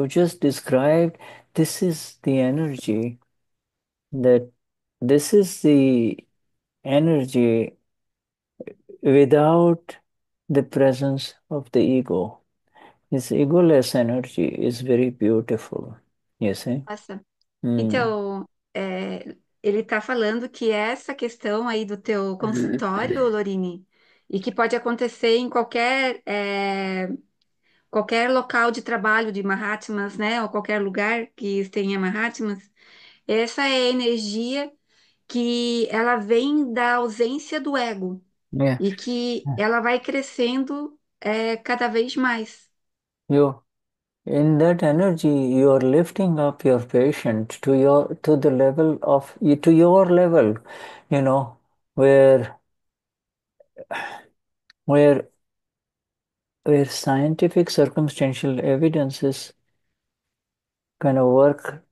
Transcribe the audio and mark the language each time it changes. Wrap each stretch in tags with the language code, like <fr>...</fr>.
<en>You just described this is the energy that this is the energy without the presence of the ego. This egoless energy is very beautiful, you see? Awesome.</en> <pt>Então, ele está falando que essa questão aí do teu consultório, Lorini, e que pode acontecer em qualquer local de trabalho de Mahatmas, né, ou qualquer lugar que tenha Mahatmas, essa é a energia que ela vem da ausência do ego e que ela vai crescendo cada vez mais.</pt> <en>You, in that energy, you are lifting up your patient to your to the level of to your level, you know, where scientific circumstantial evidences kind of work</en>